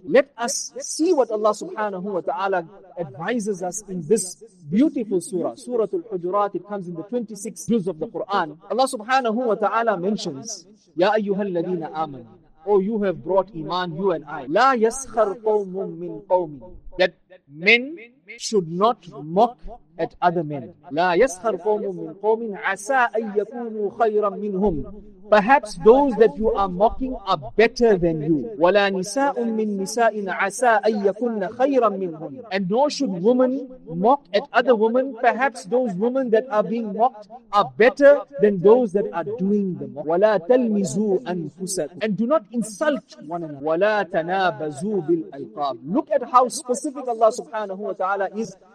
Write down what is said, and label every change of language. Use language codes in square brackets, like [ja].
[en] Let us see what Allah subhanahu wa ta'ala advises us in this beautiful surah, Surah Al-Hujurat. It comes in the 26th juz of the Quran. Allah subhanahu wa ta'ala mentions, [ar] Ya ayyuhal ladina aman. [en] Oh, you have brought iman, you and I. [ar] لا يسخر قوم من قوم. [en] That men should not mock at other men. [ar] لا يسخر قوم من قوم عسى أن يكونوا خيرا منهم. [en] Perhaps those that you are mocking are better than you. [ar] ولا نساء من نساء عسى أن يكون خيرا منهم. [en] And nor should women mock at other women. Perhaps those women that are being mocked are better than those that are doing the mocking. [ar] ولا تلمزوا أنفسكم. [en] And do not insult one another. [ar] ولا تنابزوا بالألقاب. [en] Look at how specific Allah subhanahu wa ta'ala is.